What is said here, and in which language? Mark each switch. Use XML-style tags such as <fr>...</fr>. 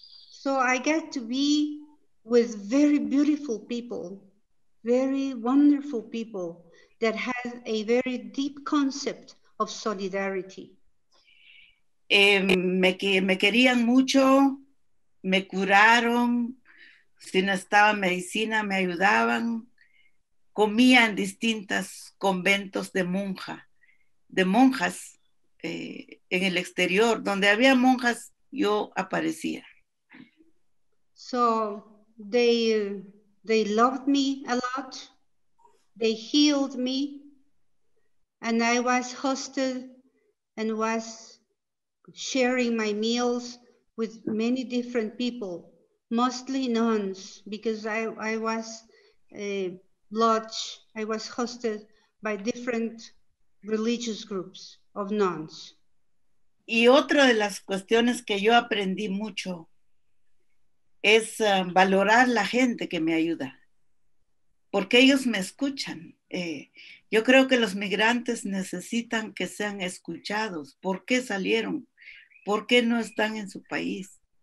<en>So I got to be with very beautiful people, very wonderful people that has a very deep concept of solidarity.</en> <es>Me querían mucho, me curaron, si no estaba medicina me ayudaban, comía en distintos conventos de monjas en el exterior, donde había monjas yo aparecía.</es> <en>So they loved me a lot, they healed me, and I was hosted and was sharing my meals with many different people, mostly nuns, because I was I was hosted by different religious groups of nuns.</en> <es>Y otra de las cuestiones que yo aprendí mucho es valorar la gente que me ayuda, porque ellos me escuchan. Yo creo que los migrantes necesitan que sean escuchados. ¿Por qué salieron? ¿Por qué no están en su país?</es>